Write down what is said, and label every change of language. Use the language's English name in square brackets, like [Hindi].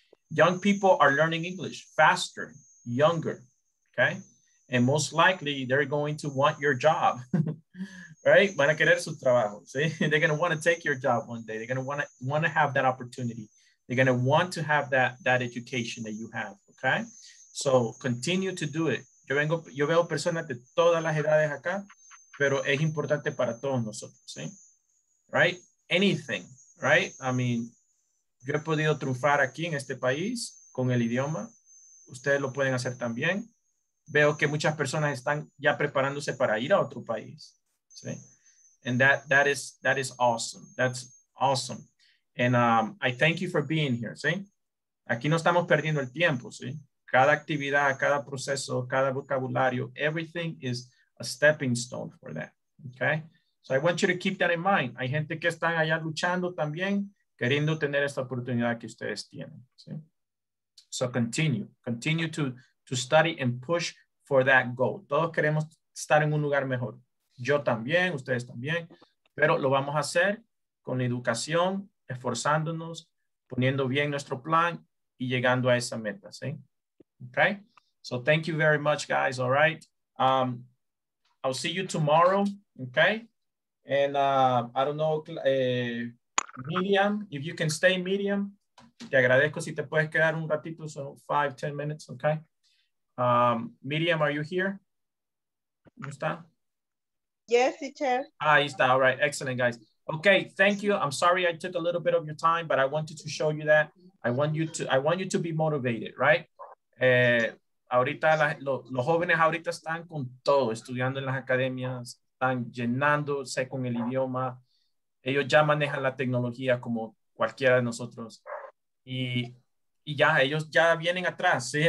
[English] Young people are learning English faster, younger, okay? And most likely they're going to want your job, right? [Spanish] Van a querer su trabajo, ¿sí? [English] They're going to want to take your job one day. They're going to want to have that opportunity. They're going to want to have that education that you have, okay? So continue to do it. [Spanish] Yo veo personas de todas las edades acá, pero es importante para todos nosotros, ¿sí? Right? [English] Anything, right? I mean, [Spanish] yo he podido triunfar aquí en este país con el idioma. Ustedes lo pueden hacer también. Veo que muchas personas están ya preparándose para ir a otro país, ¿sí? [English] And that is awesome. That's awesome. And I thank you for being here, [Spanish] ¿sí? Aquí no estamos perdiendo el tiempo, ¿sí? Cada actividad, cada proceso, cada vocabulario, [English] everything is a stepping stone for that, okay? So I want you to keep that in mind. [Spanish] Hay gente que están allá luchando también, queriendo tener esta oportunidad que ustedes tienen, ¿sí? [English] So continue to study and push for that goal. [Spanish] Todos queremos estar en un lugar mejor. Yo también, ustedes también, pero lo vamos a hacer con educación, esforzándonos, poniendo bien nuestro plan y llegando a esa meta, ¿sí? [English] Okay, so thank you very much, guys. All right, I'll see you tomorrow. Okay, and I don't know, Miriam, if you can stay, Miriam, [Spanish] te agradezco si te puedes quedar un ratito, [English] so 5-10 minutes. Okay, Miriam, are you here? [Spanish] ¿Cómo está? [English] Yes, teacher. [Spanish] Ahí está. [English] All right, excellent, guys. Okay, thank you. I'm sorry I took a little bit of your time, but I wanted to show you that. I want you to be motivated, right? [Spanish] Ahorita los jóvenes ahorita están con todo, estudiando en las academias, están llenándose con el idioma, ellos ya manejan la tecnología como cualquiera de nosotros y ya, ellos ya vienen atrás, ¿sí?